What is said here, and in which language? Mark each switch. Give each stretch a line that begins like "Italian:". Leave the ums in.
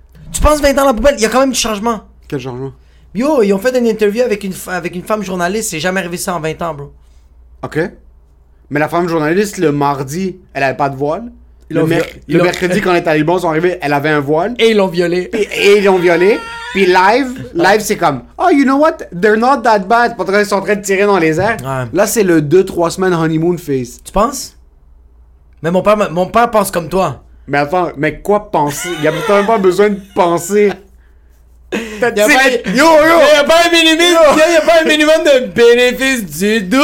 French: Tu penses 20 ans la poubelle Il y a quand même du changement. Quel changement Yo, ils ont fait une interview avec une, avec une femme journaliste. C'est jamais arrivé ça en 20 ans, bro. Ok. Mais la femme journaliste, le mardi, elle avait pas de voile. Le, le, me le, le mercredi, quand les talibans sont arrivés, elle avait un voile. Et ils l'ont violée. Et, ils l'ont violée. Puis live, live c'est comme,
English: oh you know what, they're not that bad.
French: Pourtant qu'ils sont en train de tirer dans les airs. Ouais. Là, c'est le 2-3 semaines honeymoon face. Tu penses? Mais mon père, mon père pense comme toi. Mais attends, mais quoi penser? Y'a même pas besoin de penser. Y'a pas, a pas un minimum, de bénéfice du doute.